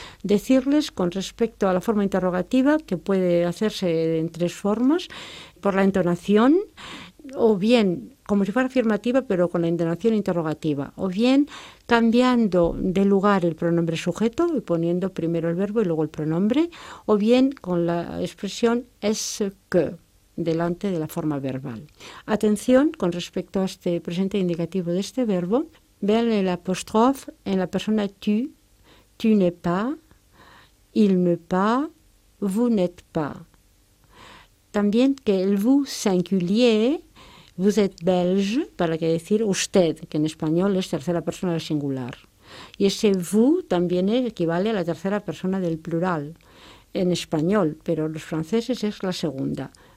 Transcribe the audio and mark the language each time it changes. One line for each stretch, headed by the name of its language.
Spanish: Decirles con respecto a la forma interrogativa que puede hacerse en tres formas, por la entonación, o bien como si fuera afirmativa pero con la entonación interrogativa, o bien cambiando de lugar el pronombre sujeto y poniendo primero el verbo y luego el pronombre, o bien con la expresión est-ce que, delante de la forma verbal. Atención con respecto a este presente indicativo de este verbo. Vean el apostrofe en la persona tu,
French: tu n'es pas, il n'est pas, vous n'êtes pas.
Spanish: También que el
French: vous singulier, vous êtes belge,
Spanish: para que decir usted, que en español es tercera persona del singular. Y ese vous también equivale a la tercera persona del plural en español, pero los franceses es la segunda.